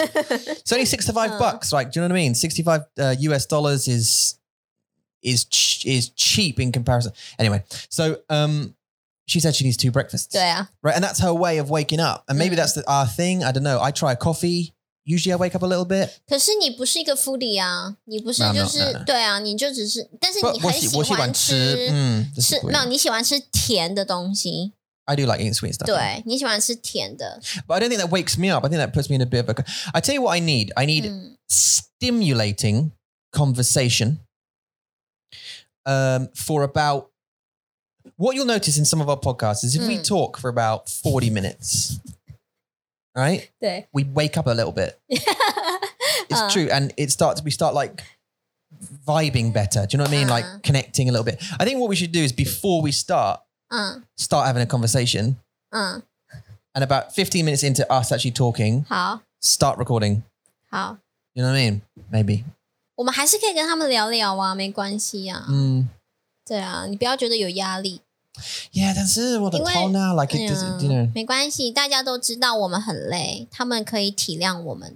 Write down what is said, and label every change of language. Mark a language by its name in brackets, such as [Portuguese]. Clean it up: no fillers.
[English] It's only 65 bucks, like, do you know what I mean? 65 US dollars is cheap in comparison. Anyway, so she said she needs two breakfasts. Yeah. Right, and that's her way of waking up. And maybe that's our thing, I don't know. I try a coffee. Usually I wake up a little bit. [Chinese] 可是你不是一个 foodie 啊，你不是就是对啊，你就只是，但是你很喜欢吃，嗯，吃，没有，你喜欢吃甜的东西。 [English] I do like eating sweet stuff. [Chinese] 对，你喜欢吃甜的。 [English] But I don't think that wakes me up. I think that puts me in a bit of a. I tell you what I need. I need stimulating conversation. For about what you'll notice in some of our podcasts is if we talk for about 40 minutes. Right? We wake up a little bit. It's true. And it starts, we start like vibing better. Do you know what I mean? Like connecting a little bit. I think what we should do is before we start, start having a conversation. And about 15 minutes into us actually talking, start recording. You know what I mean? Maybe. [Chinese] 我们还是可以跟他们聊聊啊，没关系啊。对啊，你不要觉得有压力。 [English] Yeah, that's what I'm told now. Like, it doesn't, you know. [Chinese] 没关系，大家都知道我们很累，他们可以体谅我们。